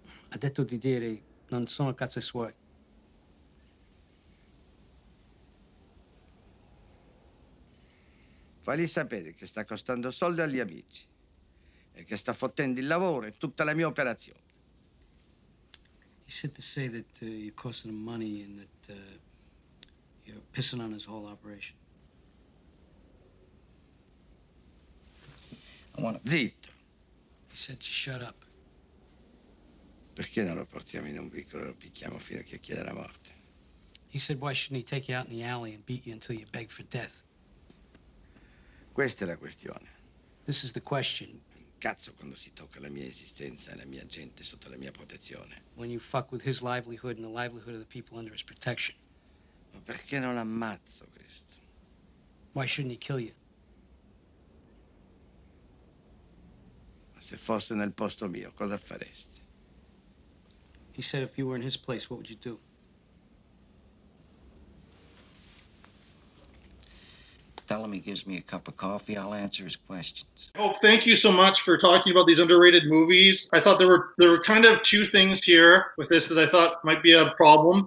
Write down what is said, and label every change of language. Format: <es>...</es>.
<it>Ha detto di dire non sono cazzi suoi. Fagli sapere che sta costando soldi agli amici e che sta fottendo il lavoro e tutta la mia operazione.</it> <en>He said to say that you're costing him money and that you're pissing on his whole operation.</en> <it>Zitto.</it> <en>He said to shut up.</en> <it>Perché non lo portiamo in un vicolo e lo picchiamo fino a che chiede la morte?</it> <en>He said, why shouldn't he take you out in the alley and beat you until you beg for death?</en> <it>Questa è la questione.</it> <en>This is the question.</en> <it>Incazzo quando si tocca la mia esistenza e la mia gente sotto la mia protezione.</it> <en>When you fuck with his livelihood and the livelihood of the people under his protection.</en> <it>Ma perché non ammazzo questo?</it> <en>Why shouldn't he kill you?</en> <it>Ma se fosse nel posto mio, cosa faresti?</it> <en>He said if you were in his place, what would you do? Tanto. tell him he gives me a cup of coffee, I'll answer his questions. Hope, thank you so much for talking about these underrated movies. I thought there were kind of two things here with this that I thought might be a problem.</en>